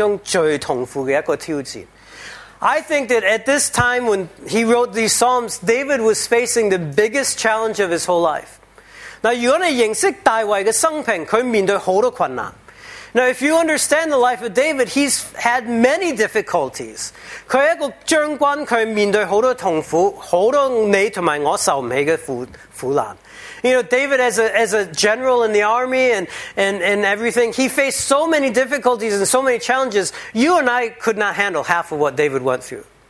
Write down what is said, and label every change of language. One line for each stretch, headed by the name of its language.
Chinese: 我觉得当时大卫面对他一生中最痛苦的一个挑战。
English: I think that at this time when he wrote these Psalms, David was facing the biggest challenge of his whole life.
Chinese: Now, 如果你认识大卫的生平,他面对很多困难。
English: Now, if you understand the life of David, he's had many difficulties.
Chinese: 他是一个将军,他面对很多痛苦,很多你和我受不起的苦难。
English: You know, David as a general in the army and everything, he faced so many difficulties and so many challenges, you and I could not handle half of what David went through.